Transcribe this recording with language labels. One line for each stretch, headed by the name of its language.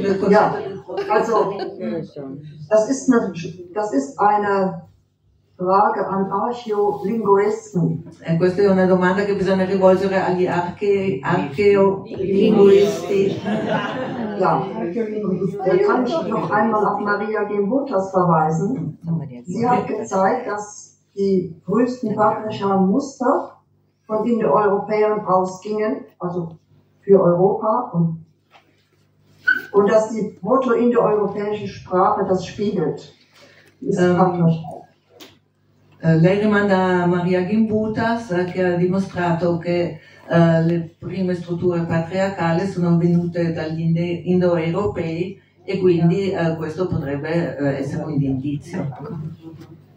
German: Ja, also das ist eine Frage an Archäolinguisten.
Italian: Questa è una domanda che bisogna rivolgere agli archeolinguisti.
German: Ja, da kann ich noch einmal auf Maria Gimbutas verweisen. Sie hat gezeigt, dass die größten partnerschaften Muster, von denen die Europäer ausgingen, also für Europa, und dass die proto-indoeuropäische Sprache das spiegelt.
Italian: Lei rimanda Maria Gimbutas, che ha dimostrato che le prime strutture patriarcali sono venute dagli indoeuropei e quindi questo potrebbe essere un indizio.